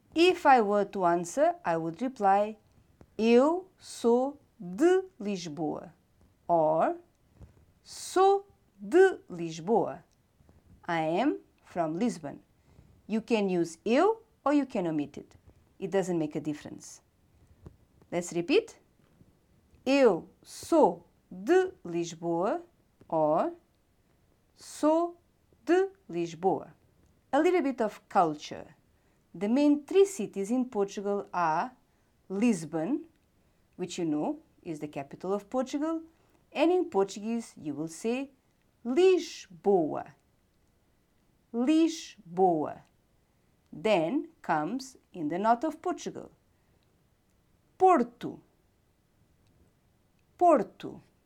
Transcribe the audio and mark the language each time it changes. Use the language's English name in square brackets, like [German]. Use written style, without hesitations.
[English] If I were to answer, I would reply, [Portuguese] eu sou de Lisboa. Or, sou de Lisboa. [English] I am from Lisbon. You can use eu or you can omit it. It doesn't make a difference. Let's repeat. [Portuguese] Eu sou de Lisboa or sou de Lisboa. [English] A little bit of culture. The main three cities in Portugal are Lisbon, which you know is the capital of Portugal, and in Portuguese you will say Lisboa. Lisboa. Then comes in the north of Portugal, Porto. Porto.